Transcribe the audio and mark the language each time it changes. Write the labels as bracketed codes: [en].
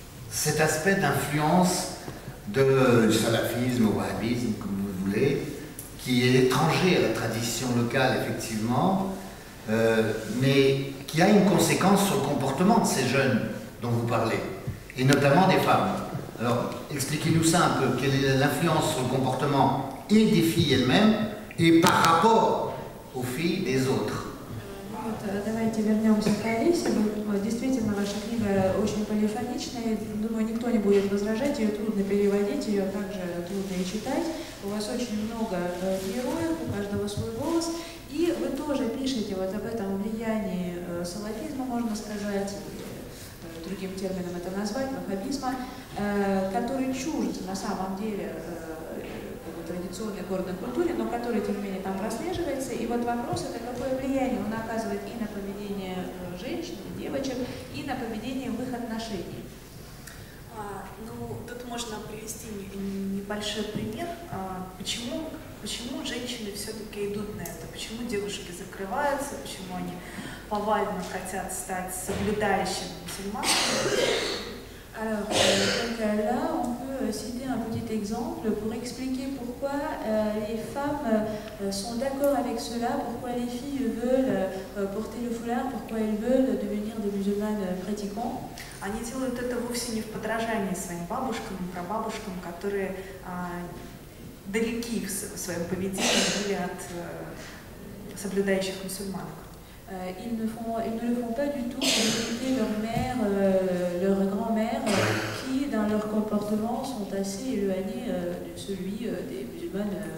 [fr] Cet aspect d'influence du salafisme, au wahhabisme, comme vous voulez, qui est étranger à la tradition locale, effectivement, mais qui a une conséquence sur le comportement de ces jeunes dont vous parlez, et notamment des femmes. Alors, expliquez-nous ça un peu, quelle est l'influence sur le comportement et des filles elles-mêmes, et par rapport aux filles des autres. [ru] Вот, давайте вернемся к Алисе. Действительно, ваша книга очень полифоничная. Думаю, никто не будет возражать, ее трудно переводить, ее также трудно и читать. У вас очень много героев, у каждого свой голос. И вы тоже пишете вот об этом влиянии салафизма, можно сказать, другим термином это назвать, ваххабизма, который чужд на самом деле традиционной горной культуре, но который, тем не менее, там прослеживается. И вот вопрос, это какое влияние он оказывает и на поведение женщин, и девочек, и на поведение в их отношении. Ну, тут можно привести небольшой пример, почему женщины все-таки идут на это, почему девушки закрываются, почему они повально хотят стать соблюдающими мусульманами. [fr] Alors, là, on peut citer un petit exemple pour expliquer pourquoi les femmes sont d'accord avec cela, pourquoi les filles veulent porter le foulard, pourquoi elles veulent devenir des musulmanes pratiquants. [ru] Они делают это вовсе не в подражании своим бабушкам и прабабушкам, которые далеки в своем поведении были от соблюдающих мусульманок. [fr] Ils ne le font pas du tout pour imiter leur mère, leur grand-mère, qui, dans leur comportement, sont assez éloignées de celui des musulmanes.